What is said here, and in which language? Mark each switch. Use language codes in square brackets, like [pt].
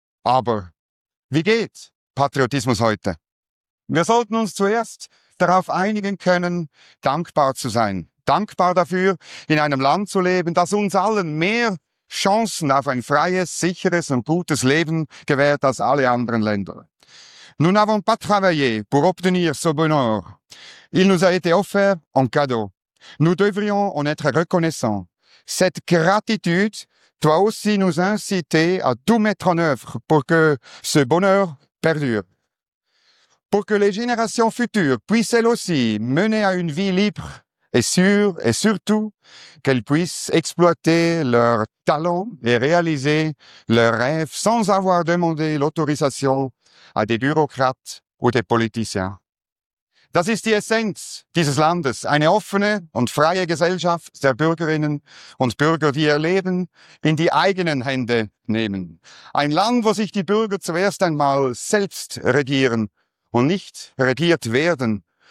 [de] Aber wie geht Patriotismus heute? Wir sollten uns zuerst darauf einigen können, dankbar zu sein. Dankbar dafür, in einem Land zu leben, das uns allen mehr Chancen auf ein freies, sicheres und gutes Leben gewährt als alle anderen Länder. [fr] Nous n'avons pas travaillé pour obtenir ce bonheur. Il nous a été offert en cadeau. Nous devrions en être reconnaissants. Cette gratitude doit aussi nous inciter à tout mettre en œuvre pour que ce bonheur perdure. Pour que les générations futures puissent elles aussi mener à une vie libre, et sûr, et surtout, qu'elles puissent exploiter leurs talents et réaliser leurs rêves sans avoir demandé l'autorisation à des bureaucrates ou des politiciens. [de] Das ist die Essenz dieses Landes, eine offene und freie Gesellschaft der Bürgerinnen und Bürger, die ihr Leben in die eigenen Hände nehmen. Ein Land, wo sich die Bürger zuerst einmal selbst regieren und nicht regiert werden.